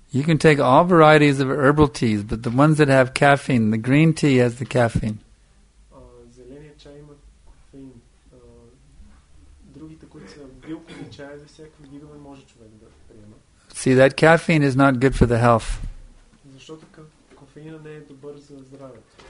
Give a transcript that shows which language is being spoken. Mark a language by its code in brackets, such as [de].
[en] You can take all varieties of herbal teas, but the ones that have caffeine, the green tea has the caffeine. [bg] Зеления чай има кофеин. Другите, които са билкови чаи, за всякакви видове може човек да приема. [en] See, that caffeine is not good for the health. [bg] Защото кофеина не е добър за здравето.